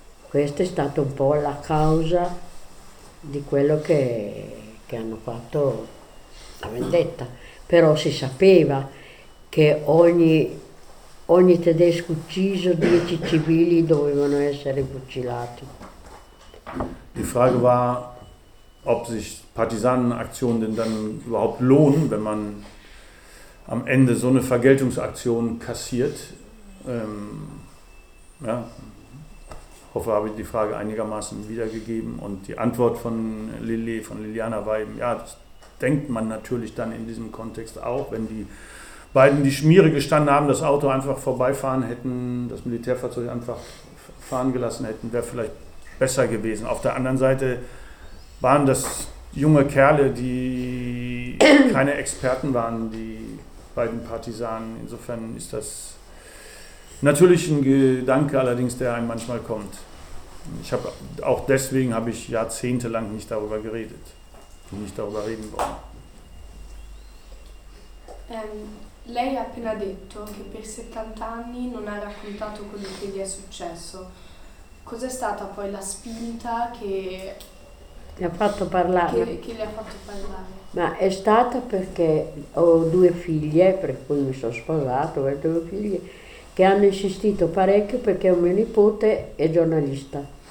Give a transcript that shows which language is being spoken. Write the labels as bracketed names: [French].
[Italian] Questa è stata un po' la causa di quello che hanno fatto la vendetta. Però si sapeva che ogni tedesco ucciso, 10 civili dovevano essere fucilati. [German] Die Frage war, ob sich Partisanenaktionen denn dann überhaupt lohnen, wenn man am Ende so eine Vergeltungsaktion kassiert. Ja, hoffe, habe ich die Frage einigermaßen wiedergegeben. Und die Antwort von Lilly, von Liliana war eben, ja, das denkt man natürlich dann in diesem Kontext auch, wenn die beiden die Schmiere gestanden haben, das Auto einfach vorbeifahren hätten, das Militärfahrzeug einfach fahren gelassen hätten, wäre vielleicht besser gewesen. Auf der anderen Seite waren das junge Kerle, die keine Experten waren, die beiden Partisanen. Insofern ist das natürlich ein Gedanke allerdings, der einem manchmal kommt. Ich habe auch deswegen habe ich jahrzehntelang nicht darüber geredet. Nicht darüber reden wollen. [Italian] Lei ha appena detto che per 70 anni non ha raccontato quello che gli è successo. Cos'è stata poi la spinta che ti ha fatto parlare? Che le ha fatto parlare? Ma è stata perché ho due figlie, per cui mi sono sposato, ho due figlie, che hanno insistito parecchio perché mio nipote è giornalista.